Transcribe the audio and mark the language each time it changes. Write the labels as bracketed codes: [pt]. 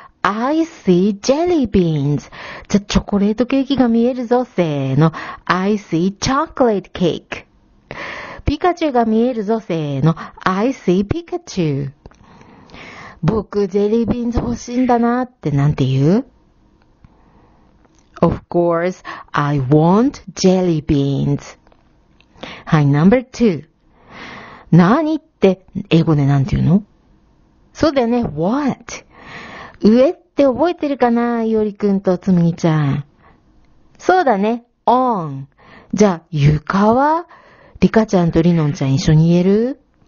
[en] I see jelly beans. [ja] じゃ、チョコレートケーキが見えるぞ。せーの。 [en] I see chocolate cake. [ja] ピカチュウが見えるぞ。せーの。 [en] I see [ja] ピカチュウ。僕、ジェリービーンズ欲しいんだなってなんて言う？ [en] Of course, I want jelly beans. [ja] はい、 [en] number two. [ja] 何って英語でなんて言うの？そうだよね、what? 上って覚えてるかな、いおりくんとつむぎちゃん。そうだね、on。じゃあ、床は？リカちゃんとリノンちゃん一緒に言える？